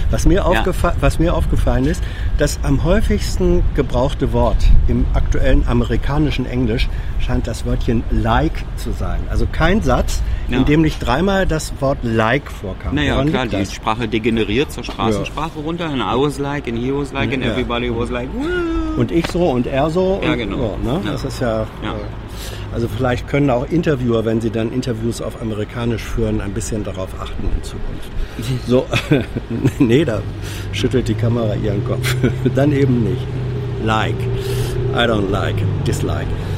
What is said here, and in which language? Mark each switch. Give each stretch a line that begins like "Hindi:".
German: Was mir aufgefallen ist, das am häufigsten gebrauchte Wort im aktuellen amerikanischen Englisch scheint das Wörtchen like zu sein. Also kein Satz, in dem nicht dreimal das Wort like vorkam. Naja, klar, die Sprache degeneriert zur Straßensprache runter.
English: And I was like, and he was like, and everybody was like, woo.
German: Und ich so und er so. Ja, genau. Das ist ja. Also vielleicht können auch Interviewer, wenn sie dann Interviews auf Amerikanisch führen, ein bisschen darauf achten in Zukunft. So, nee, da schüttelt die Kamera ihren Kopf. Dann eben nicht.
English: Like. I don't like. Dislike.